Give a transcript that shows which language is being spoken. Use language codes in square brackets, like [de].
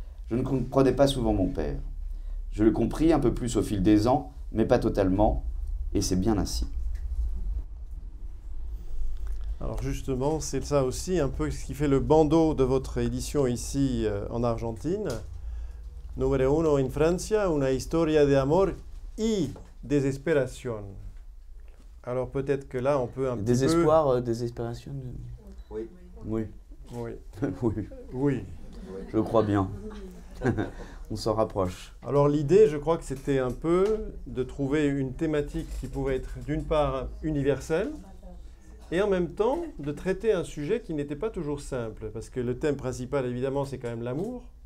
[fr] Je ne comprenais pas souvent mon père. Je le compris un peu plus au fil des ans, mais pas totalement, et c'est bien ainsi. Alors justement, c'est ça aussi un peu ce qui fait le bandeau de votre édition ici en Argentine. [es] Numéro uno en Francia, una historia de amor y desesperación. [fr] Alors peut-être que là, on peut un désespoir, peu... Désespoir, désespération de... Oui. Oui. Oui. Oui. Oui. Oui. Je crois bien. On s'en rapproche. Alors l'idée, je crois que c'était un peu de trouver une thématique qui pouvait être d'une part universelle, et en même temps de traiter un sujet qui n'était pas toujours simple, parce que le thème principal, évidemment, c'est quand même l'amour.